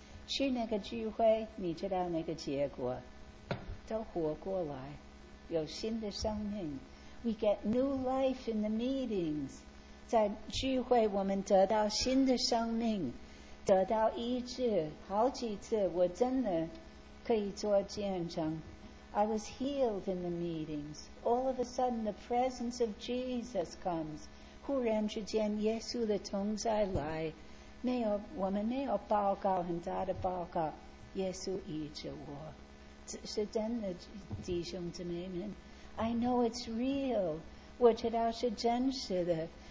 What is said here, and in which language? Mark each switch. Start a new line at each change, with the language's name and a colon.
Chinese: 去那个聚会，你知道那个结果，都活过来，有新的生命。
English: We get new life in the meetings.
Chinese: 在聚会我们得到新的生命，得到医治。好几次我真的可以做见证。
English: I was healed in the meetings. All of a sudden the presence of Jesus comes.
Chinese: 忽然之间耶稣的同在来。没有，我们没有报告，很大的报告，耶稣医治我。是真的，弟兄姊妹们。
English: I know it's real.
Chinese: 我知道是真实的。